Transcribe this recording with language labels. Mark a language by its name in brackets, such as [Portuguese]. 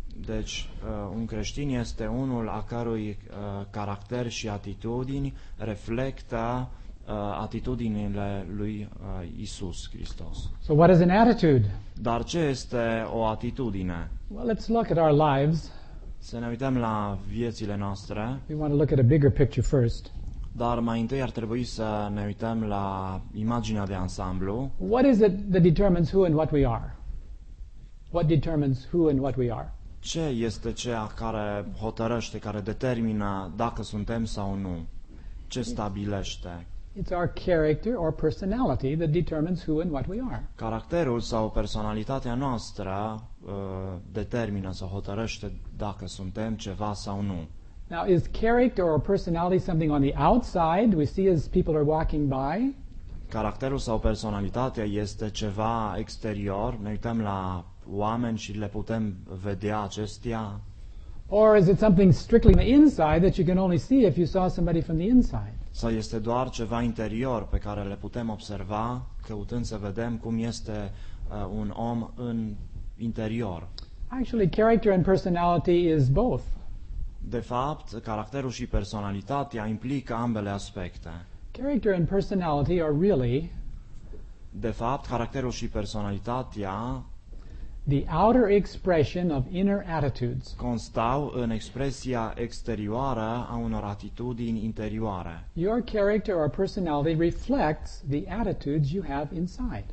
[Romanian] Deci, un creștin este unul a cărui caracter și atitudini reflectă atitudinile lui Isus Hristos. [English] So what is an attitude? [Romanian] Dar ce este o atitudine? [English] Well, let's look at our lives. [Romanian] Să ne uităm la viețile noastre. [English] We want to look at a bigger picture first. [Romanian] Dar mai întâi ar trebui să ne uităm la imaginea de ansamblu. [English] What is it that determines who and what we are? What determines who and what we are? [Romanian] Ce este ceea care hotărăște, care determină dacă suntem sau nu? Ce stabilește? [English] It's our character or personality that determines who and what we are. [Romanian] Caracterul sau personalitatea noastră determină sau hotărăște dacă suntem ceva sau nu. [English] Now, is character or personality something on the outside we see as people are walking by? [Romanian] Caracterul sau personalitatea este ceva exterior, ne uităm la oameni și le putem vedea acestea? [English] Or is it something strictly inside that you can only see if you saw somebody from the inside? [Romanian] Sau este doar ceva interior pe care le putem observa căutând să vedem cum este un om în interior? [English] Actually, character and personality is both. [Romanian] De fapt, caracterul și personalitatea implică ambele aspecte. [English] Character and personality are really, [Romanian] de fapt, caracterul și personalitatea, [English] the outer expression of inner attitudes. [Romanian] Constau în expresia exterioară a unor atitudini interioare. [English] Your character or personality reflects the attitudes you have inside.